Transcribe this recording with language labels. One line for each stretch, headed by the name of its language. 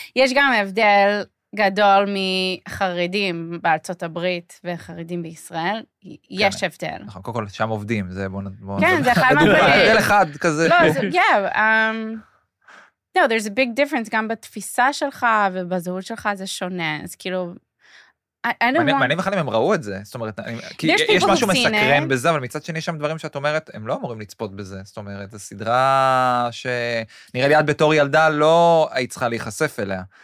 Hebrew: יש גם הבדל גדול מחרדים בארצות הברית וחרדים בישראל. יש הבדל. נכון, קודם כל, שם עובדים. זה בוא נדבר. כן, זה אחד מהם. הבדל אחד כזה. לא, זה,
English: yeah. No, there's a big difference.
Hebrew: גם בתפיסה שלך ובזהות שלך זה שונה. אז כאילו... מעניין אחד אם הם ראו את זה, זאת אומרת, יש משהו מסקרן בזה, אבל מצד שני יש שם דברים שאת אומרת, הם לא אמורים לצפות בזה, זאת אומרת, זו סדרה שנראה לי עד בתור ילדה, לא היית צריכה להיחשף אליה.